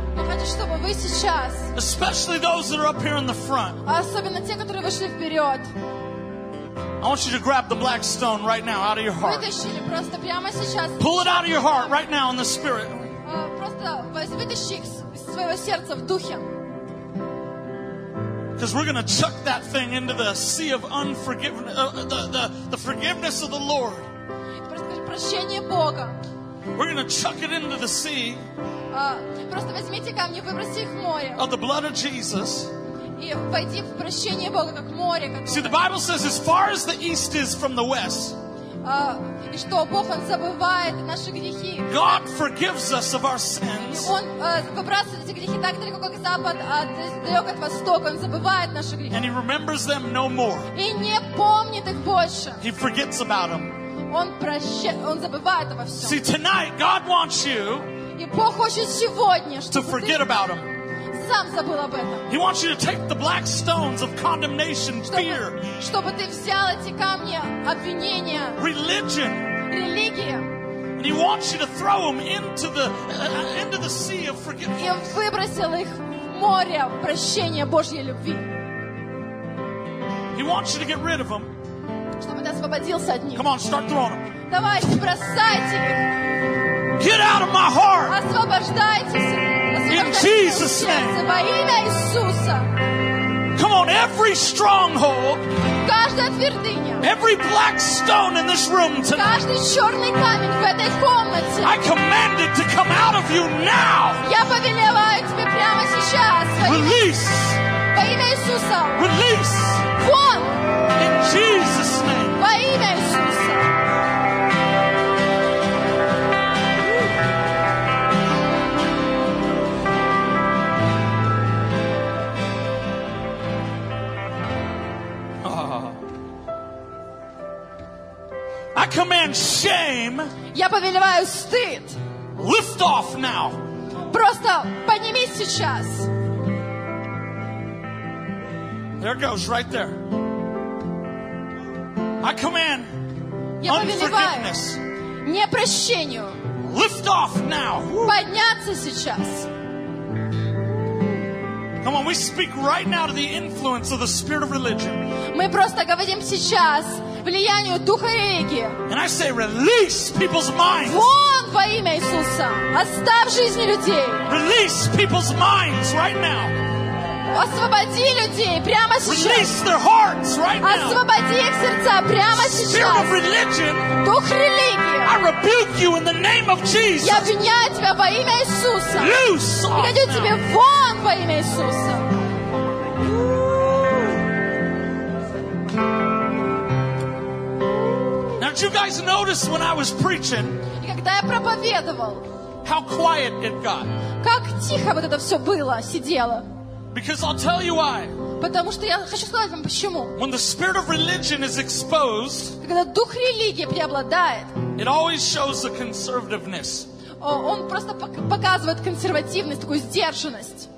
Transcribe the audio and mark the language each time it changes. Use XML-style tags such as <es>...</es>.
<en>Especially those that are up here in the front.</en> <ru>Особенно те, которые вышли вперед.</ru> <en>I want you to grab the black stone right now out of your heart.</en> <ru>Вытащили просто прямо сейчас.</ru> <en>Pull it out of your heart right now in the spirit.</en> <ru>Просто вытащи их из своего сердца в духе.</ru> <en>Because we're going to chuck that thing into the sea of unforgiveness, the forgiveness of the Lord.</en> <ru>Прощение Бога.</ru> <en>We're going to chuck it into the sea.</en> <ru>Просто возьмите камни, выбросьте их в море.</ru> <en>Of the blood of Jesus.</en> <ru>И войди в прощение Бога, как море.</ru> <en>See, the Bible says, as far as the east is from the west.</en> <ru>И что Бог, Он забывает наши грехи.</ru> <en>God forgives us of our sins.</en> <ru>Он выбрасывает эти грехи так далеко, как запад, далек от востока. Он забывает наши грехи.</ru> <en>And He remembers them no more.</en> <ru>И не помнит их больше.</ru> <en>He forgets about them.</en> <ru>Он забывает обо всем.</ru> <en>See, tonight, God wants you</en> <ru>и Бог хочет сегодня, чтобы</ru> <en>to forget</en> <ru>ты</ru> <en>about him.</en> <ru>Сам забыл об этом.</ru> <en>He wants you to take the black stones of condemnation, fear.</en> <ru>Чтобы ты взял эти камни обвинения.</ru> <en>Religion.</en> <ru>Религия.</ru> <en>And he wants you to throw them into the sea of forgiveness.</en> <ru>И выбросил их в море прощения Божьей любви.</ru> <en>He wants you to get rid of them.</en> <ru>Чтобы ты освободился от них.</ru> <en>Come on, start throwing them.</en> <ru>Давайте, бросайте их.</ru> <en>Get out of my heart.</en> <ru>Освобождайтесь.</ru> <en>In Jesus' name.</en> <ru>Во имя Иисуса.</ru> <en>Come on, every stronghold.</en> <ru>Каждая твердыня.</ru> <en>Every black stone in this room tonight.</en> <ru>Каждый черный камень в этой комнате.</ru> <en>I command it to come out of you now.</en> <ru>Я повелеваю тебе прямо сейчас.</ru> <en>Release.</en> <ru>Во имя Иисуса.</ru> <en>Release.</en> <ru>Вон.</ru> <en>In Jesus' name.</en> <ru>Во имя Иисуса.</ru> <en>I command shame.</en> <ru>Я повелеваю стыд.</ru> <en>Lift off now.</en> <ru>Просто поднимись сейчас.</ru> <en>There it goes right there. I command unforgiveness.</en> <ru>Непрощению.</ru> <en>Lift off now.</en> <ru>Подняться сейчас.</ru> <en>Come on, we speak right now to the influence of the spirit of religion.</en> <ru>Мы просто говорим сейчас влиянию духа религии.</ru> <en>And I say, release people's minds.</en> <ru>Вон во имя Иисуса. Оставь жизни людей.</ru> <en>Release people's minds right now.</en> <ru>Освободи людей прямо сейчас.</ru> <en>Release their hearts right now.</en> <ru>Освободи их сердца прямо сейчас.</ru> <en>Spirit of religion.</en> <ru>Дух религии.</ru> <en>I rebuke you in the name of Jesus.</en> <ru>Я обвиняю тебя во имя Иисуса.</ru> <en>Loose off now.</en> <ru>Иду тебе вон во имя Иисуса.</ru> <en>Now, did you guys notice when I was preaching?</en> <ru>И когда я проповедовал.</ru> <en>How quiet it got.</en> <ru>Как тихо вот это все было, сидело.</ru> <en>Because I'll tell you why.</en> <ru>Потому что я хочу сказать вам почему.</ru> <en>When the spirit of religion is exposed.</en> <ru>Когда дух религии преобладает.</ru> <en>It always shows the conservativeness.</en> <ru>Он просто показывает консервативность, такую сдержанность.</ru>